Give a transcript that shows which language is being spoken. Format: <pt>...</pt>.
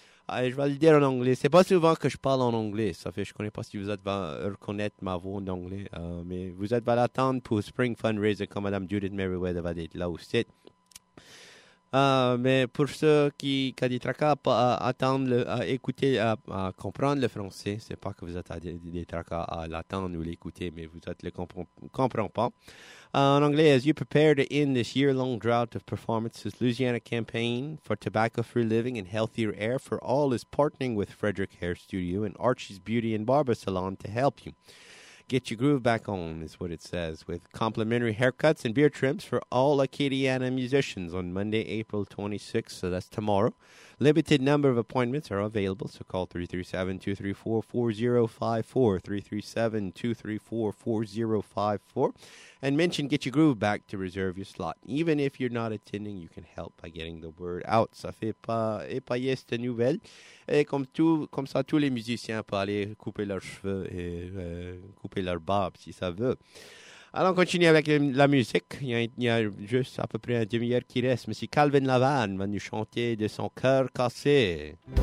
<fr>Je vais le dire en anglais, c'est pas souvent que je parle en anglais, ça fait que je connais pas si vous êtes reconnaître ma voix en anglais, mais vous êtes valable à attendre pour Spring Fundraiser comme Mme Judith Merriweather va être là aussi. Mais pour ceux qui ont des tracas à attendre, à écouter, à comprendre le français, c'est pas que vous êtes des tracas à l'attendre ou l'écouter, mais vous êtes le comprend pas. En anglais,</fr> <en>as you prepare to end this year-long drought of performances, Louisiana Campaign for Tobacco-Free Living and Healthier Air for All is partnering with Frederick Hair Studio and Archie's Beauty and Barber Salon to help you. Get your groove back on, is what it says, with complimentary haircuts and beard trims for all Acadiana musicians on Monday, April 26th, so that's tomorrow. Limited number of appointments are available, so call 337-234-4054, 337-234-4054, and mention Get Your Groove Back to reserve your slot. Even if you're not attending, you can help by getting the word out.</en> <fr>Ça fait pas yes de nouvelles. Et comme ça, tous les musiciens peuvent aller couper leurs cheveux et couper leur barbe, si ça veut. Alors, on continue avec la musique. Il y a juste à peu près une demi-heure qui reste. Monsieur Calvin Lavan va nous chanter de son cœur cassé.</fr>